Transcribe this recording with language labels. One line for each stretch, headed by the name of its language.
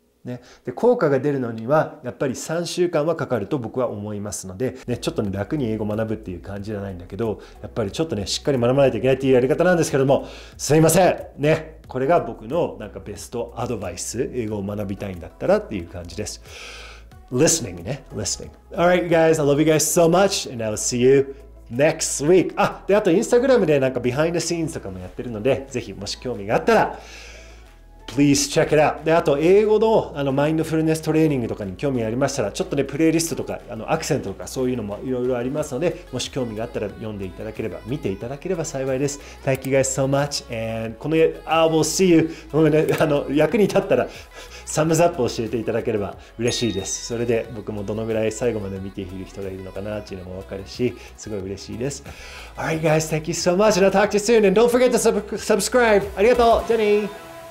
Japanese: ね、で効果が出るのにはやっぱり3週間はかかると僕は思いますので、ね、ちょっと、ね、楽に英語を学ぶっていう感じじゃないんだけど、やっぱりちょっとねしっかり学ばないといけないっていうやり方なんですけども、すいません、ね、これが僕のなんかベストアドバイス、英語を学びたいんだったらっていう感じです。
English: Listening ね、 Listening。 Alright guys, I love you guys so much and I'll see youNext week。
Japanese: あ、であとインスタグラムでなんかビハインドシーンズとかもやってるので、ぜひもし興味があったら
English: Please check it out。
Japanese: であと英語 あのマインドフルネストレーニングとかに興味ありましたら、ちょっとねプレイリストとかあのアクセントとかそういうのもいろいろありますので、もし興味があったら読んでいただければ、見ていただければ幸いです。
English: Thank you guys so much and
Japanese: この
English: I will see you、
Japanese: ごめんね、あの役に立ったらサムズアップ教えていただければ嬉しいです。それで僕もどのぐらい最後まで見ている人がいるのかなっていうのも分かるし、すごい嬉しいです。
English: Alright guys, thank you so much and I'll talk to you soon and don't forget to subscribe!
Japanese: ありがとう、ジェニー。